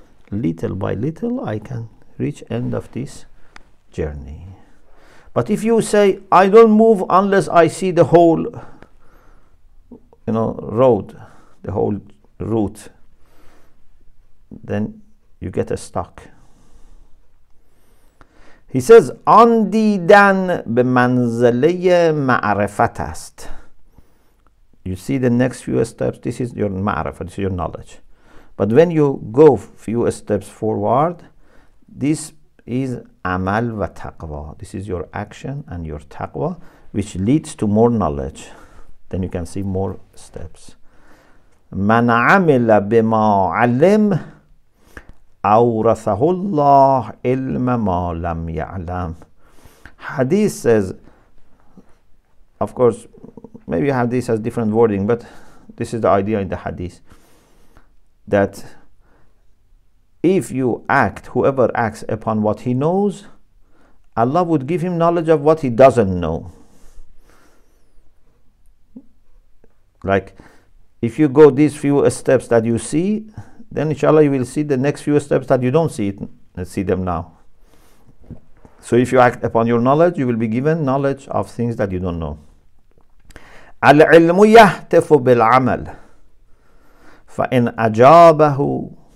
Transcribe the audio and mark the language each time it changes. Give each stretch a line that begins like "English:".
English: Little by little, I can reach end of this journey. But if you say, I don't move unless I see the whole, you know, road, the whole route, then you get stuck. He says,
Persian: آن دیدن به منزله معرفت است.
English: You see the next few steps, this is your ma'rifah, this is your knowledge. But when you go few steps forward, this is amal wa taqwa. This is your action and your taqwa, which leads to more knowledge. Then you can see more steps.
Arabic: Man amila bima alim awrathahu Allah ilma ma lam ya'lam.
English: Hadith says, of course, maybe you have this as different wording, but this is the idea in the hadith, that if you act, whoever acts upon what he knows, Allah would give him knowledge of what he doesn't know. Like, if you go these few steps that you see, then inshallah you will see the next few steps that you don't see it, see them now. So if you act upon your knowledge, you will be given knowledge of things that you don't know.
Arabic: العلم يهتف بالعمل فإن أجابه